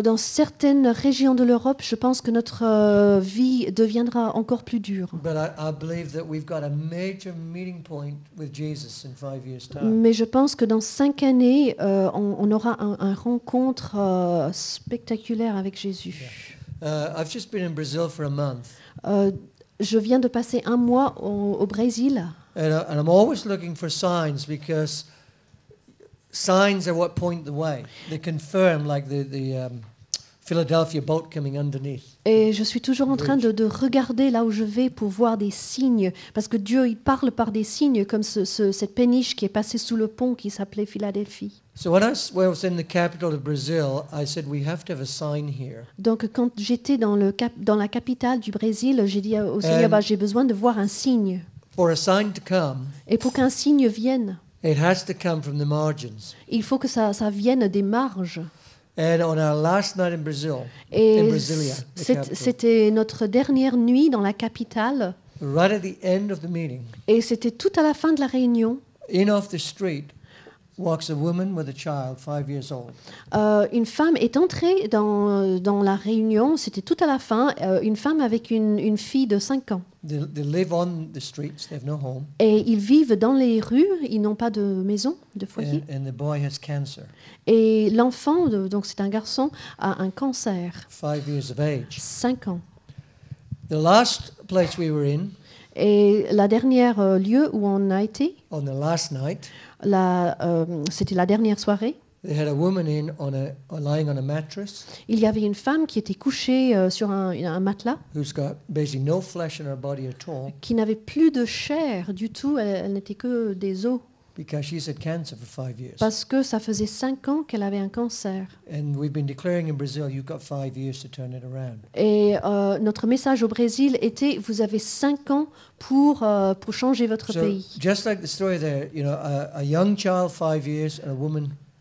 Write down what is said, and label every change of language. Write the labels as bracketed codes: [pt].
[fr] Dans certaines régions de l'Europe, je pense que notre vie deviendra encore plus dure. [en] But I believe that we've got a major meeting point with Jesus in 5 years' time. [fr] Mais je pense que dans 5 années, on aura un rencontre spectaculaire avec Jésus. [en] Yeah. I've just been in Brazil for a month. [fr] Je viens de passer un mois au Brésil. [en] And I'm always looking for signs because signs are what point the way. They confirm, like the Philadelphia boat coming underneath. [fr] Et je suis toujours en train de regarder là où je vais pour voir des signes, parce que Dieu il parle par des signes, comme cette péniche qui est passée sous le pont qui s'appelait Philadelphie. [en] So when I was in the capital of Brazil, I said we have to have a sign here. [fr] Donc quand j'étais dans la capitale du Brésil, j'ai dit au Seigneur, j'ai besoin de voir un signe. [en] For a sign to come. [fr] Et pour qu'un signe vienne. [en] It has to come from the margins. [fr] Il faut que ça vienne des marges. [en] And on our last night in Brazil, [fr] et [en] in Brasilia, [fr] c'était notre dernière nuit dans la capitale. [en] Right at the end of the meeting. [fr] Et c'était tout à la fin de la réunion. [en] In off the street walks a woman with a child, 5 years old. [fr] Une femme est entrée dans la réunion. C'était tout à la fin. Une femme avec une fille de 5 ans. [en] They live on the streets. They have no home. [fr] Et ils vivent dans les rues. Ils n'ont pas de maison, de foyer. [en] And the boy has cancer. [fr] Et l'enfant, donc c'est un garçon, a un cancer. [en] 5 years of age. [fr] 5 ans. [en] The last place we were in. [fr] Et la dernière lieu où on a été. [en] On the last night. [fr] C'était la dernière soirée. [en] They had a woman in lying on a mattress. [fr] Il y avait une femme qui était couchée sur un matelas. [en] Who's got basically no flesh in her body at all. [fr] Qui n'avait plus de chair du tout. Elle n'était que des os. [en] Because she's had cancer for 5 years. [fr] Parce que ça faisait 5 ans qu'elle avait un cancer. [en] And we've been declaring in Brazil, you've got 5 years to turn it around. [fr] Et notre message au Brésil était, vous avez 5 ans pour changer votre pays. [en] Just like the story there, you know, a young child, 5 years, and a woman,